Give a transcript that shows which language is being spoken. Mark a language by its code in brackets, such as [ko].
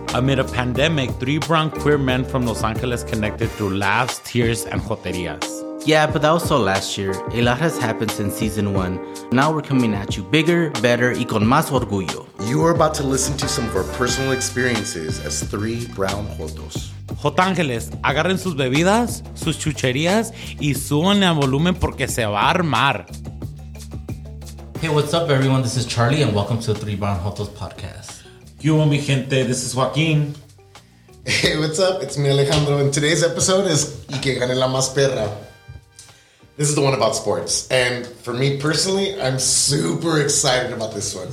[en] Amid a pandemic, three brown queer men from Los Angeles connected through laughs, tears, and joterias. Yeah, but that was so last year. A lot has happened since season one. Now we're coming at you bigger, better, [es] y con más orgullo. [en] You are about to listen to some of our personal experiences as three brown jotos. [es] Jotángeles, agarren sus bebidas, sus chucherías, y súbanle a volumen porque se va a armar. [en] Hey, what's up, everyone? This is Charlie, and welcome to the Three Brown Jotos podcast. [es] ¿Qué hubo, mi gente? [en] This is Joaquin. Hey, what's up? It's me, Alejandro, and today's episode is [es] Y que gane la más perra. [en] This is the one about sports, and for me personally, I'm super excited about this one.